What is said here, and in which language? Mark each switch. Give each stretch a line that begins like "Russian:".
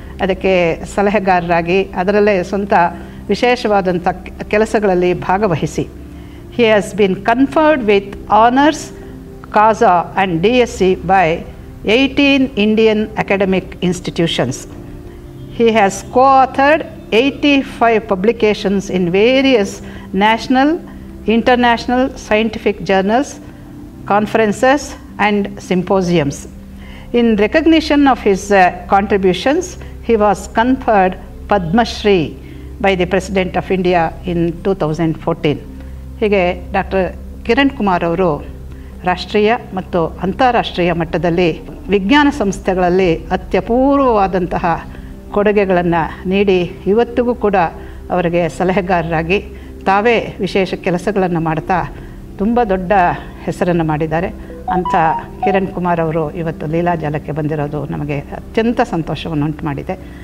English: ಅದಕ್ಕೆ ಸಲಹೆಗಾರರಾಗಿ, ಅದರಲ್ಲೇ ಸ್ವಂತ ವಿಶೇಷವಾದಂಥ ಕೆಲಸಗಳಲ್ಲಿ ಭಾಗವಹಿಸಿ, he has been conferred with honours causa and DSC by 18 Indian academic institutions. He has co-authored 85 publications in various national, international scientific journals, conferences and symposiums. In recognition of his contributions, he was conferred Padma Shri by the President of India in 2014.
Kannada: Hige Dr. Kiran Kumar avaru ರಾಷ್ಟ್ರೀಯ ಮತ್ತು ಅಂತಾರಾಷ್ಟ್ರೀಯ ಮಟ್ಟದಲ್ಲಿ ವಿಜ್ಞಾನ ಸಂಸ್ಥೆಗಳಲ್ಲಿ ಅತ್ಯಪೂರ್ವವಾದಂತಹ ಕೊಡುಗೆಗಳನ್ನು ನೀಡಿ ಇವತ್ತಿಗೂ ಕೂಡ ಅವರಿಗೆ ಸಲಹೆಗಾರರಾಗಿ ತಾವೇ ವಿಶೇಷ ಕೆಲಸಗಳನ್ನು ಮಾಡ್ತಾ ತುಂಬ ದೊಡ್ಡ ಹೆಸರನ್ನು ಮಾಡಿದ್ದಾರೆ ಅಂತ ಕಿರಣ್ ಕುಮಾರ್ ಅವರು ಇವತ್ತು ಲೀಲಾಜಾಲಕ್ಕೆ ಬಂದಿರೋದು ನಮಗೆ ಅತ್ಯಂತ ಸಂತೋಷವನ್ನು ಉಂಟು ಮಾಡಿದೆ.